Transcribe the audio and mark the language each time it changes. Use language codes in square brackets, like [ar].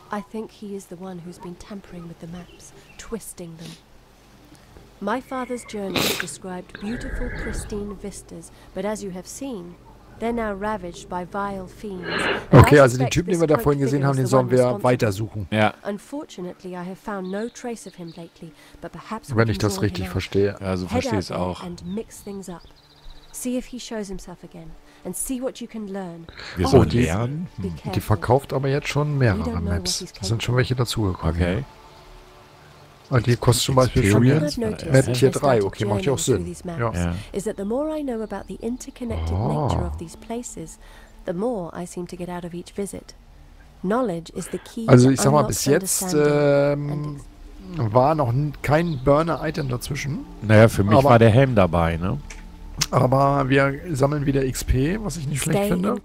[en] I think he is the one who's been tampering with the maps, twisting them. My father's journey described beautiful, pristine vistas, but as you have seen, they're now ravaged by vile fiends. [de] Okay, also den Typen, den wir da vorhin gesehen haben, den sollen wir weitersuchen. Ja. [en] Unfortunately, I have found no trace of him lately, but perhaps [de] wenn ich das richtig verstehe. Ja, so verstehe ich es auch. [en] And mix things up. See if he shows himself again and see what you can learn. [de] Wir sollen lernen. Die verkauft aber jetzt schon mehrere Maps. Da sind schon welche dazugekommen. Okay. Und die kostet zum Beispiel schon Map Tier 3. Okay, macht ja auch Sinn. [en] Is that the more I know about the interconnected nature of these places, the more I seem to get out of each visit. Knowledge is the key. [de] Also ich sag mal, bis jetzt war noch kein Burner-Item dazwischen. Naja, für mich war der Helm dabei, ne? Aber wir sammeln wieder XP, was ich nicht schlecht finde.